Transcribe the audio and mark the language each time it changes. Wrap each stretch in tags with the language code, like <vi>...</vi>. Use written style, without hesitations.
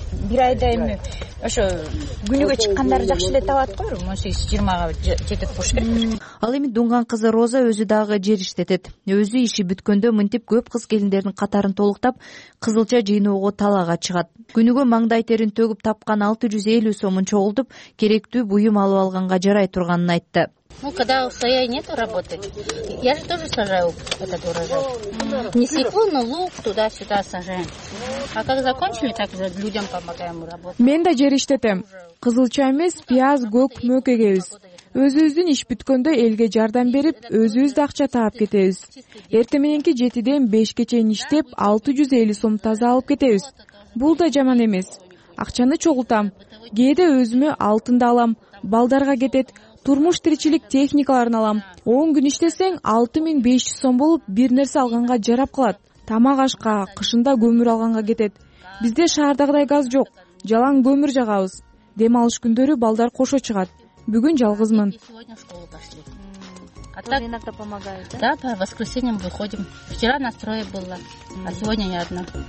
<ky>Бир айда эми ошо күнүгө чыккандары жакшы эле табат го, 18-20 жетет болуш керек. Ал эми Дунган кызы Роза өзү дагы жер иштетет. Өзү иши бүткөндө мынтип көп кыз келиндердин катарын толуктап, кызылча жыйноого талаага чыгат. Күнүгө маңдай терин төгүп тапкан 650 сомун чогултуп, керектүү буюм алып алганга жарай турганын айтты.</ky> <ru>Ну, когда в своей нету работы, я же тоже сажаю этот урожай. Не секу, но лук туда-сюда сажаем. А как закончили, так же людям помогаем работать.</ru> <ky>Мен да жер иштетем. Кызылча эмес, пияз, көк, мөк эгебиз. Өзүбүздүн иш бүткөндө элге жардам берип, өзүбүз да акча таап кетебиз. Эртең мененки 7:00-5:00 чейин иштеп, 650 сом таза алып кетебиз. Бул да жаман эмес. Акчаны чогултам. Кээде өзүмө алтын да алам, балдарга кетет. Турмуш тиричилик техникаларын алам. 10 күн иштесең 6500 сом болуп, бир нерсе алганга жарап калат. Тамак ашка, кышында көмүр алганга кетет. Бизде шаардагыдай газ жок. Жалаң көмүр жагабыз. Дем алыш күндөрү балдар кошо чыгат. Бүгүн жалгызмын.</ky> <ru>А так иногда помогают, да? Да, по воскресеньям выходим. Вчера на строе была, а сегодня я одна.</ru>